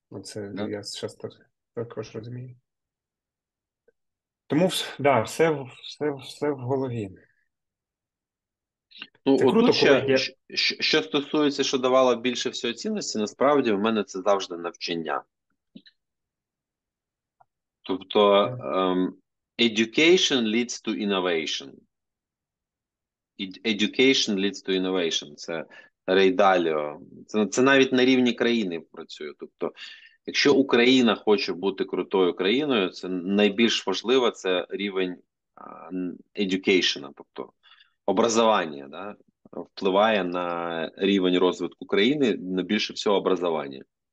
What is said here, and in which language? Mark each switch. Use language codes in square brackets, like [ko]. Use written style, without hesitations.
[uk] Оце я зараз також розумію. Тому, да, все в голові. Ну, це круто, ще, коли що стосується, що давало більше всього цінності, насправді в мене це завжди навчання. [en] Тобто, education leads to innovation. Education leads to innovation. [uk] Це Рей Даліо. Це навіть на рівні країни працює. Тобто, якщо Україна хоче бути крутою країною, це найбільш важливо, це рівень education, тобто образування, да, впливає на рівень розвитку країни, на більше всього образування.